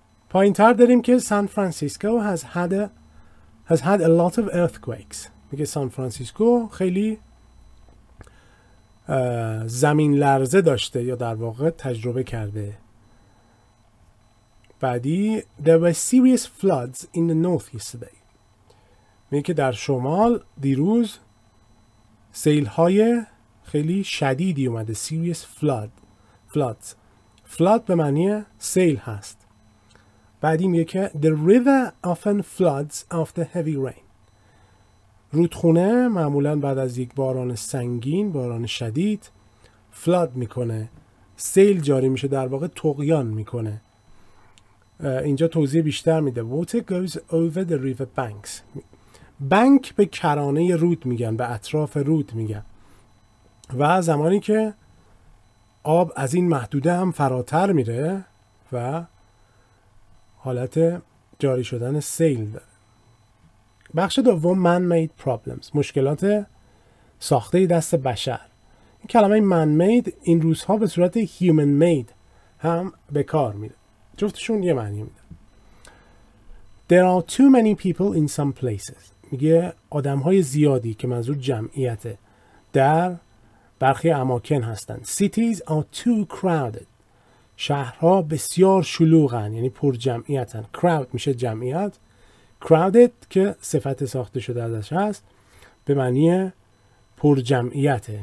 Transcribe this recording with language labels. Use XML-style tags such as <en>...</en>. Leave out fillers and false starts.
<fa>پایین تر داریم که سان فرانسیسکو</fa> <en>has had a lot of earthquakes.</en> <fa>میگه سان فرانسیسکو خیلی زمین لرزه داشته یا در واقع تجربه کرده.</fa> <en>بعدی there were serious floods in the north yesterday.</en> <fa>میگه که در شمال دیروز سیل های خیلی شدیدی اومده.</fa> <en>serious floods.</en> <fa>flood به معنی سیل هست. بعدی میگه که</fa> <en>the river often floods after heavy rain.</en> <fa>رودخونه معمولاً بعد از یک باران سنگین، باران شدید، فلاد میکنه، سیل جاری میشه، در واقع طغیان میکنه. اینجا توضیح بیشتر میده.</fa> <en>Water goes over the river banks.</en> <fa>بنک به کرانه رود میگن، به اطراف رود میگن. و زمانی که آب از این محدوده هم فراتر میره و حالت جاری شدن سیل داره. بخش دوم</fa> <en>man-made problems،</en> <fa>مشکلات ساخته دست بشر. این کلمه man-made این روزها به صورت human-made هم به کار میره. جفتشون یه معنی میده.</fa> <en>There are too many people in some places.</en> <fa>میگه آدم‌های زیادی که منظور جمعیته در برخی اماکن هستن.</fa> <en>Cities are too crowded.</en> <fa>شهرها بسیار شلوغن، یعنی پر جمعیتن. Crowd میشه جمعیت. Crowded که صفت ساخته شده ازش هست به معنی پر جمعیته.</fa>